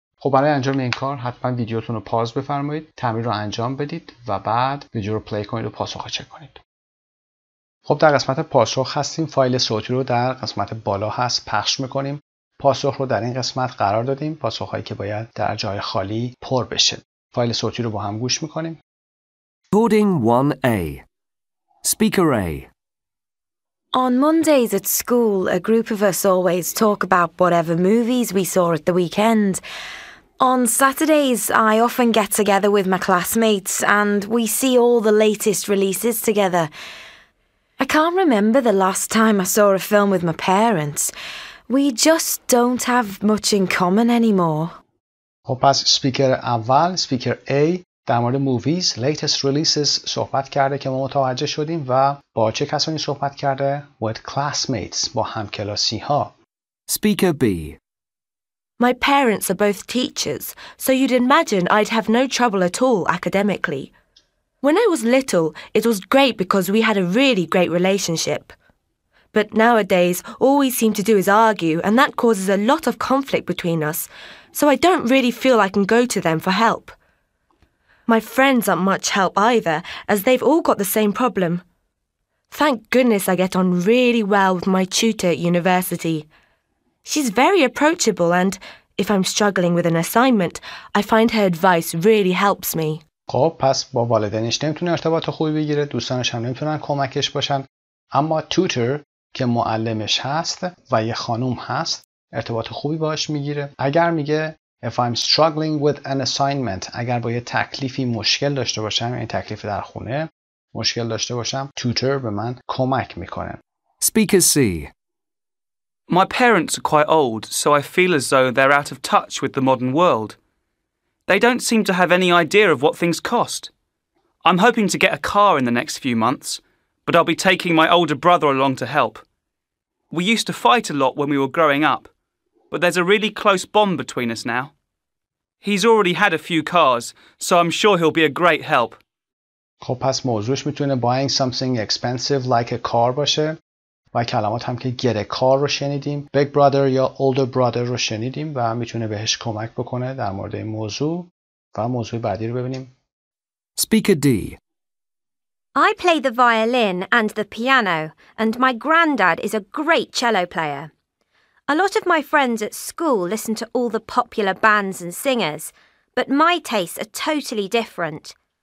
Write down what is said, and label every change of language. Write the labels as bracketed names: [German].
[Persian] خب برای انجام این کار حتما ویدیوتون رو پاز بفرمایید، تمرین رو انجام بدید و بعد ویدیو رو پلی کنید و پاسخ رو چک کنید. خب در قسمت پاسخ هستیم. فایل صوتی رو در قسمت بالا هست پخش میکنیم. پاسخ رو در این قسمت قرار دادیم، پاسخهایی که باید در جای خالی پر بشه. فایل صوتی رو با هم گوش میکنیم. [English] Recording 1A. Speaker A. On Mondays at school, a group of us always talk about whatever movies we saw at the weekend. On Saturdays, I often get together with my classmates and we see all the latest releases together. I can't remember the last time I saw a film with my parents. We just don't have much in common anymore. [Persian] خب پس سپیکر اول، سپیکر A، در مورد موویز، [English] latest releases [Persian] صحبت کرده که ما متوجه شدیم و با چه کسانی صحبت کرده؟ [English] With classmates، [Persian] با همکلاسی ها. سپیکر B. [English] My parents are both teachers, so you'd imagine I'd have no trouble at all academically. When I was little, it was great because we had a really great relationship. But nowadays, all we seem to do is argue, and that causes a lot of conflict between us. So I don't really feel I can go to them for help. My friends aren't much help either, as they've all got the same problem. Thank goodness I get on really well with my tutor at university. She's very approachable and, if I'm struggling with an assignment, I find her advice really helps me. [Persian] خب پس با والدینش نمیتونه ارتباط خوبی بگیره، دوستانش هم نمیتونن کمکش باشن، اما توتر که معلمش هست و یه خانوم هست ارتباط خوبی باش میگیره. اگر میگه [English] If I'm struggling with an assignment، [Persian] اگر با یه تکلیفی مشکل داشته باشم، یعنی تکلیف در خونه مشکل داشته باشم، توتر به من کمک میکنه. [English] Speaker C. My parents are quite old, so I feel as though they're out of touch with the modern world. They don't seem to have any idea of what things cost. I'm hoping to get a car in the next few months, but I'll be taking my older brother along to help. We used to fight a lot when we were growing up, but there's a really close bond between us now. He's already had a few cars, so I'm sure he'll be a great help. [Persian] خب پس موضوعش میتونه [English] buying something expensive like a car [Persian] باشه. و کلمات هم که get a car رو شنیدیم، big brother یا older brother رو شنیدیم و میتونه بهش کمک بکنه در مورد این موضوع. و موضوع بعدی رو ببینیم. [English] Speaker D. I play the violin and the piano and my granddad is a great cello player. A lot of my friends at school listen to all the popular bands and singers, but my tastes are totally different.